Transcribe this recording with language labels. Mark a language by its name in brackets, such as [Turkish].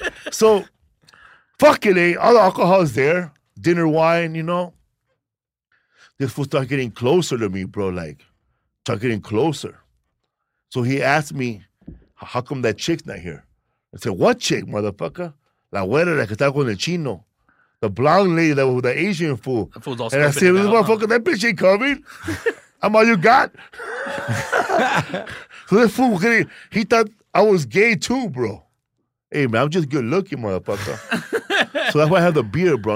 [English] So fuck it, eh? All the alcohol is there. Dinner wine, you know? This fool started getting closer to me, bro, like, started getting closer. So he asked me, how come that chick's not here? I said, what chick, motherfucker? [Spanish] La güera, la que está con el chino. [English] The blonde lady that was with the Asian fool. That fool's all and I said, this motherfucker, that bitch ain't coming. I'm all you got. So this fool was getting, he thought I was gay too, bro. Hey, man, I'm just good looking, motherfucker. So that's why I have the beard, bro.